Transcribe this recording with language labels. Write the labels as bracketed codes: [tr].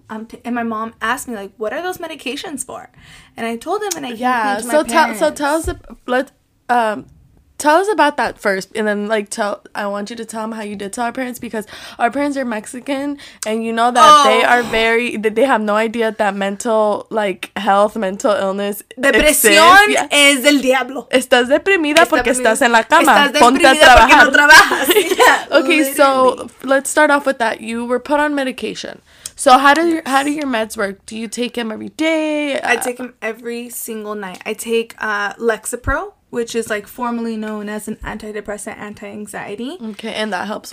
[en] And my mom asked me, like, what are those medications for? And I told them, and I came clean to my parents. Yeah, so tell us, tell us about that first, and then, like, I want you to tell them how you did tell our parents, because our parents are Mexican, and you know that they are very, that they have no idea that mental, like, health, mental illness [es] depresión [en] exists. [es] Es el diablo. Estás deprimida porque estás en la cama. Estás deprimida porque no trabajas. [en] Yeah, okay, literally. So, let's start off with that. You were put on medication. So, how do your meds work? Do you take them every day? I take them every single night. I take Lexapro, which is, like, formerly known as an antidepressant, anti-anxiety. Okay, and that helps